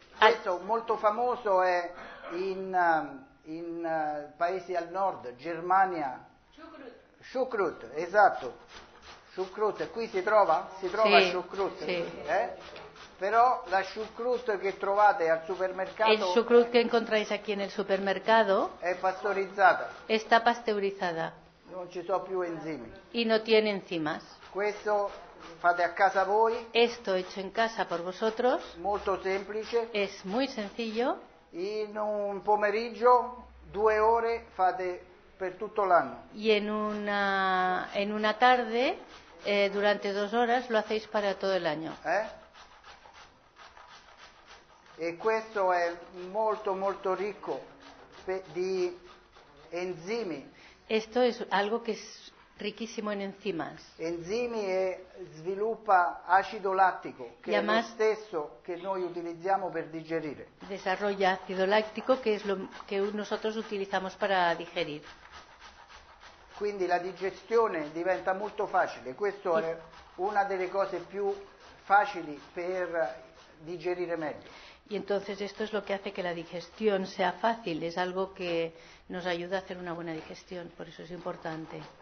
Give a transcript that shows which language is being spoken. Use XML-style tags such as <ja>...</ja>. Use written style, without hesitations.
<it>Questo molto famoso è in paesi al nord, Germania, Shukrut, esatto. Shukrut, qui si trova? Si trova sì, Shukrut. Sì. Però la Shukrut che trovate al supermercato.</it> <es>El Shukrut che incontrais aquí en el supermercado.</es> <it>È pasteurizzata.</it> <es>Está pasteurizzata.</es> <it>Non ci sono più enzimi.</it> <es>Y no tiene enzimas.</es> <it>Questo fate a casa voi.</it> <es>Esto hecho en casa por vosotros.</es> <it>Molto semplice.</it> <es>Es muy sencillo.</es> <it>In un pomeriggio, due ore, fate per tutto l'anno.</it> <es>Y en una tarde, durante dos horas, lo hacéis para todo el año.</es> <it>E questo è molto molto ricco di enzimi.</it> <es>Esto es algo que es riquísimo en enzimas.</es> <it>Enzimi e sviluppa acido lattico, che</it> <es>y además,</es> <it>è lo stesso che noi utilizziamo per digerire.</it> <es>Desarrolla ácido láctico, que es lo que nosotros utilizamos para digerir.</es> <it>Quindi la digestione diventa molto facile. Questo è una delle cose più facili per digerire meglio.</it> <es>Y entonces esto es lo que hace que la digestión sea fácil, es algo que nos ayuda a hacer una buena digestión, por eso es importante.</es>